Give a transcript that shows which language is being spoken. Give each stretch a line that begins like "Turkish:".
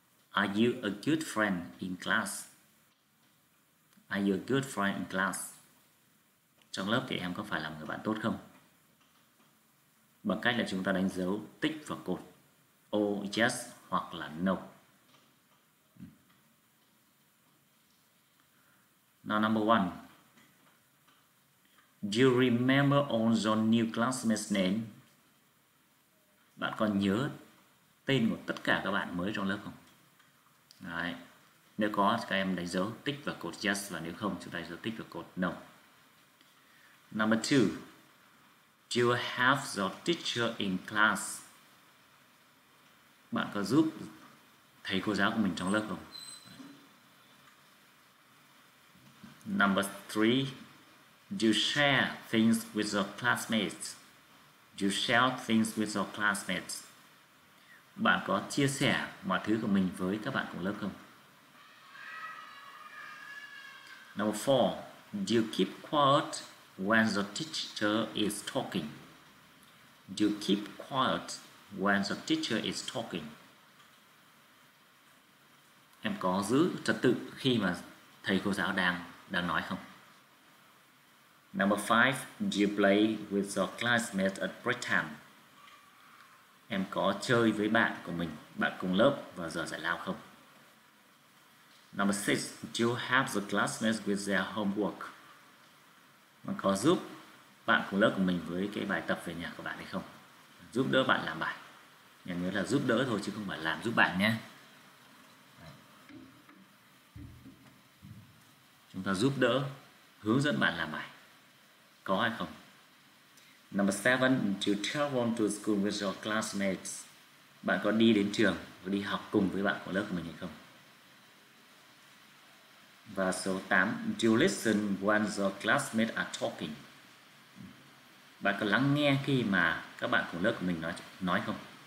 English: Are you a good friend in class? Are you a good friend in class?
Vietnamese: Trong lớp thì em có phải là một người bạn tốt không? Bằng cách là chúng ta đánh dấu tích và cột O, yes hoặc là no.
English: Now number one, do you remember all your new classmates' name?
Vietnamese: Bạn còn nhớ tên của tất cả các bạn mới trong lớp không? Đấy. Nếu có các em đánh dấu tích và cột yes, và nếu không chúng ta đánh dấu tích và cột no.
English: Number two, do you have your teacher in class?
Vietnamese: Bạn có giúp thầy cô giáo của mình trong lớp không?
English: Number three, do you share things with your classmates? Do you share things with your classmates?
Vietnamese: Bạn có chia sẻ mọi thứ của mình với các bạn cùng lớp không?
English: Number four, do you keep quiet when the teacher is talking? Do you keep quiet when the teacher is talking?
Vietnamese: Em có giữ trật tự khi mà thầy cô giáo đang nói không?
English: Number five, do you play with your classmates at break time?
Vietnamese: Em có chơi với bạn của mình, bạn cùng lớp vào giờ giải lao không?
English: Number six, do you help the classmates with their homework?
Vietnamese: Bạn có giúp bạn cùng lớp của mình với cái bài tập về nhà của bạn hay không? Giúp đỡ bạn làm bài. Nhà nhớ là giúp đỡ thôi chứ không phải làm giúp bạn nhé. Chúng ta giúp đỡ, hướng dẫn bạn làm bài. Có hay không?
English: Number seven, do you travel to school with your classmates?
Vietnamese: Bạn có đi đến trường, có đi học cùng với bạn của lớp của mình hay không? Và số 8,
English: do you listen when your classmates are talking?
Vietnamese: Bạn có lắng nghe khi mà các bạn của lớp của mình nói không?